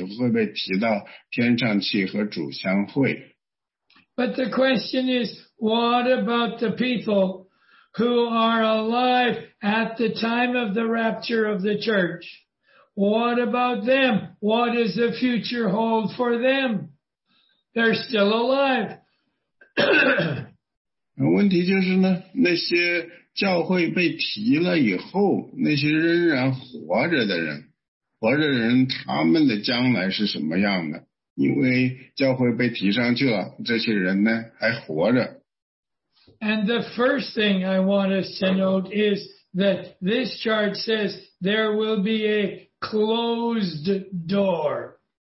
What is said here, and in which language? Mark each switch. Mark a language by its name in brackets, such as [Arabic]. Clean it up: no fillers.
[Chinese] 实际上这是一个很非常的令人兴奋的，不光是那些活着的人呢，他们会从这里一起被提到天堂。那么说呢，在主耶稣基督为我们在十字架上死了以后，所有的信了主的人、死了的人，他们这个时候呢，同样也会被提到天上去和主相会。 [English] But the question is, what about the people who are alive at the time of the rapture of the church? What about them? What does the future hold for them? They're still alive. [Chinese] 问题就是呢，那些教会被提了以后，那些仍然活着的人，他们的将来是什么样的？因为教会被提上去了，这些人呢，还活着。And [English] the first thing I want us to note is that this chart says there will be a closed door.